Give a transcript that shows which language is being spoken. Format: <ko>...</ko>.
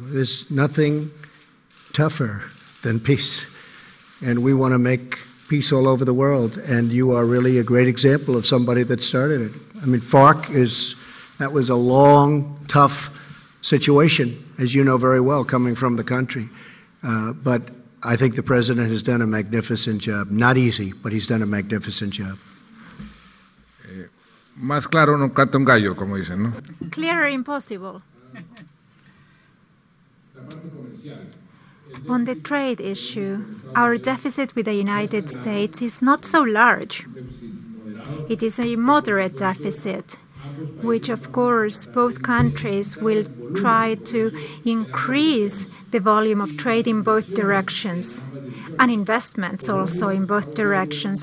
<en>There's nothing tougher than peace, and we want to make peace all over the world, and you are really a great example of somebody that started it. I mean, FARC is — that was a long, tough situation, as you know very well, coming from the country. But I think the president has done a magnificent job. Not easy, but he's done a magnificent job.</en> <es>Más claro no canta un gallo, como dicen, ¿no?</es> <en>Clearer impossible. On the trade issue, our deficit with the United States is not so large. It is a moderate deficit, which, of course, both countries will try to increase the volume of trade in both directions, and investments also in both directions.</en>